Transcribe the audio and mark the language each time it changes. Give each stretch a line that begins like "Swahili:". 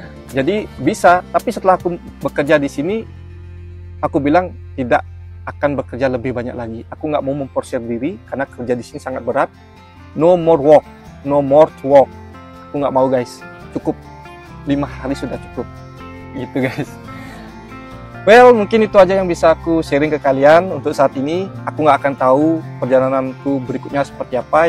Indonesian: Jadi bisa, tapi setelah aku bekerja di sini, aku bilang tidak akan bekerja lebih banyak lagi. Aku nggak mau memporsir diri karena kerja di sini sangat berat.
English: No more work, no more to work.
Indonesian: Aku nggak mau guys, cukup. 5 hari sudah cukup. Gitu guys. Well, mungkin itu aja yang bisa aku sharing ke kalian untuk saat ini. Aku nggak akan tahu perjalananku berikutnya seperti apa.